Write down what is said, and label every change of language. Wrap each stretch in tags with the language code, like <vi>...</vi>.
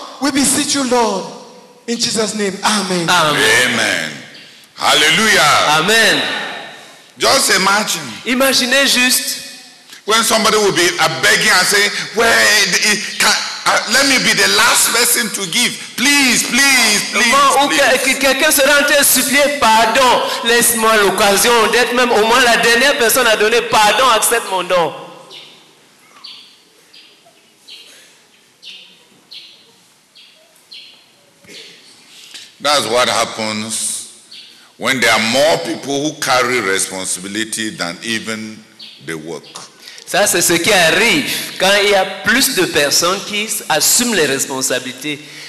<en>We beseech you, Lord. In Jesus' name, amen. Amen. Amen. Hallelujah. Amen. Just imagine.</en> <fr>Imaginez juste.</fr> <en>When somebody will be begging and saying, let me be the last person to give. Please, please, please.</en> <fr>Quelqu'un sera en train de supplier, pardon, laisse-moi l'occasion d'être même au moins la dernière personne à donner, pardon, accepte mon don.</fr> <en>That's what happens when there are more people who carry responsibility than even the work.</en> <fr>Ça, c'est ce qui arrive quand il y a plus de personnes qui assument les responsabilités.</fr>